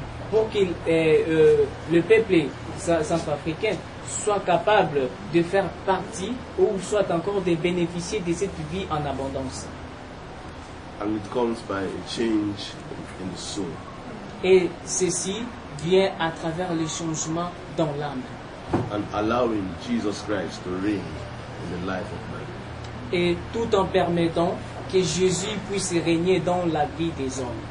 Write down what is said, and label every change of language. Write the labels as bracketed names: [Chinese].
[French] Pour que le peuple centrafricain soit capable de faire partie ou soit encore de bénéficier de cette vie en abondance. [English] And it comes by a change in the soul. [French] Et ceci vient à travers le changement dans l'âme. [English] And allowing Jesus Christ to reign in the life of man. [French] Et tout en permettant que Jésus puisse régner dans la vie des hommes.